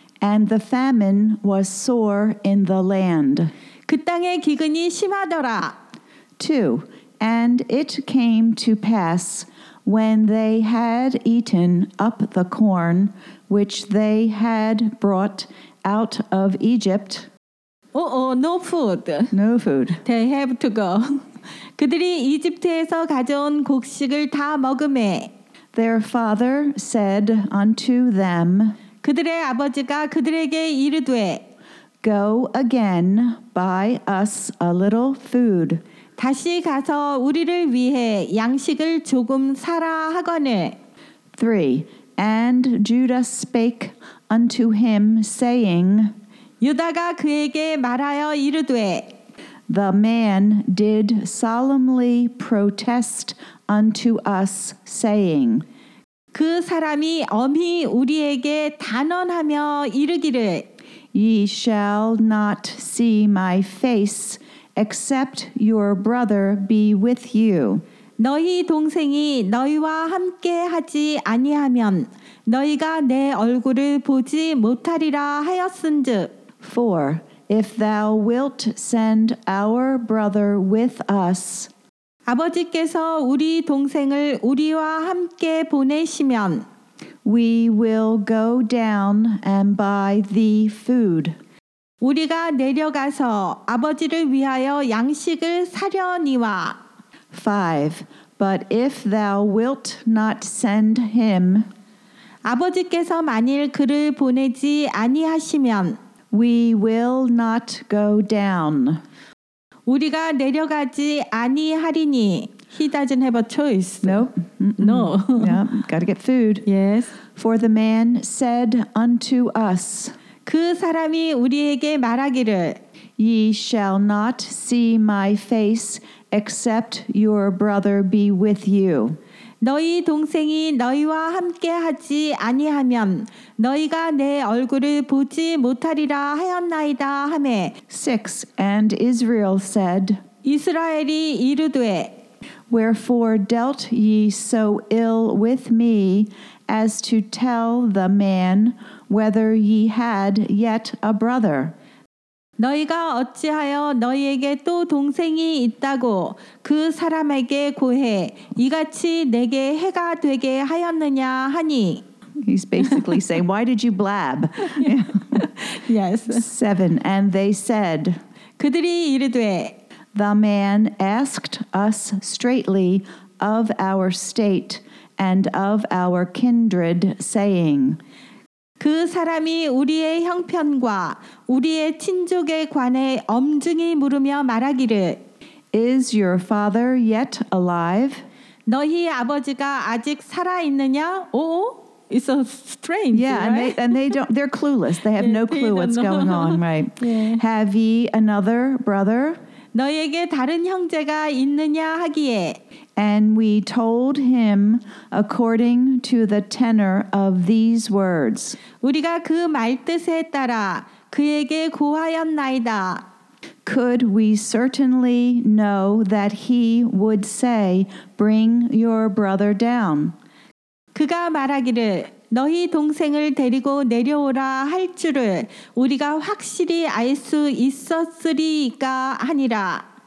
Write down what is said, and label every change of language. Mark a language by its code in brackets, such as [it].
[en] And the famine was sore in the land. [ko] 그 땅에 기근이 심하더라. [en] 2. And it came to pass when they had eaten up the corn which they had brought out of Egypt. No food. They have to go. [ko] 그들이 이집트에서 가져온 곡식을 다 먹음에 [en] Their father said unto them, [ko] 그들의 아버지가 그들에게 이르되, [en] Go again, buy us a little food. [ko] 다시 가서 우리를 위해 양식을 조금 사라 하거늘. [en] 3. And Judah spake unto him, saying, [ko] 유다가 그에게 말하여 이르되, [en] The man did solemnly protest unto us, saying, [ko] 그 사람이 엄히 우리에게 단언하며 이르기를, [en] Ye shall not see my face, except your brother be with you. [ko] 너희 동생이 너희와 함께 하지 아니하면 너희가 내 얼굴을 보지 못하리라 하였은즉. [en] 4. If thou wilt send our brother with us, [ko] 아버지께서 우리 동생을 우리와 함께 보내시면, [en] We will go down and buy thee food. [ko] 우리가 내려가서 아버지를 위하여 양식을 사려니와. [en] 5. But if thou wilt not send him, [ko] 아버지께서 만일 그를 보내지 아니하시면, [en] We will not go down. [ko] 우리가 내려가지 아니하리니. [en] He doesn't have a choice. Nope. Mm-mm. No. Yeah, gotta get food. Yes. For the man said unto us, [ko] 그 사람이 우리에게 말하기를, [en] Ye shall not see my face except your brother be with you. [ko] 너희 동생이 너희와 함께 하지 아니하면 너희가 내 얼굴을 보지 못하리라 하였나이다 하매. [en] 6. And Israel said, [ko] 이스라엘이 이르되, [en] Wherefore dealt ye so ill with me as to tell the man whether ye had yet a brother? [ko] 너희가 어찌하여 너희에게 또 동생이 있다고 그 사람에게 고해 이같이 내게 해가 되게 하였느냐 하니. [en] He's basically saying, why did you blab? Yeah. Yes. 7. And they said, [ko] 그들이 이르되, [en] The man asked us straightly of our state and of our kindred, saying, [ko] 그 사람이 우리의 형편과 우리의 친족에 관해 엄중히 물으며 말하기를 [en] Is your father yet alive? [ko] 너희 아버지가 아직 살아 있느냐? 오오? [en] It's so strange. Yeah, right? They're clueless. They have no clue what's going on, right? Yeah. Have ye another brother? [ko] 너에게 다른 형제가 있느냐 하기에. [en] And we told him according to the tenor of these words. [ko] 우리가 그 말뜻에 따라 그에게 고하였나이다. [en] Could we certainly know that he would say, bring your brother down? [ko] 그가 말하기를 너희 동생을 데리고 내려오라 할 줄을 우리가 확실히 알 수 있었으리까 하니라.